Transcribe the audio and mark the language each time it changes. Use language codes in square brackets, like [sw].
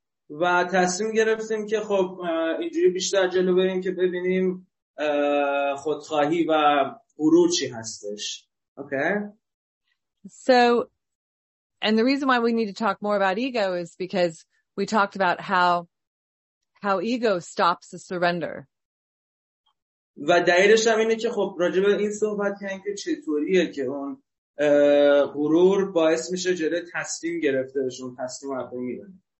[fa] و تصمیم گرفتیم که خب اینجوری بیشتر جلو بریم که ببینیم خودخواهی و غرور چی هستش. [en] Okay. So, and the reason why we need to talk more about ego is because we talked about how ego stops the surrender. [fa] و دلیلش هم اینه که خب راجع به این صحبت کردیم که چطوریه که اون غرور باعث میشه جلو تصمیم گرفته بشه، اون تصمیم رو عقب میندازه.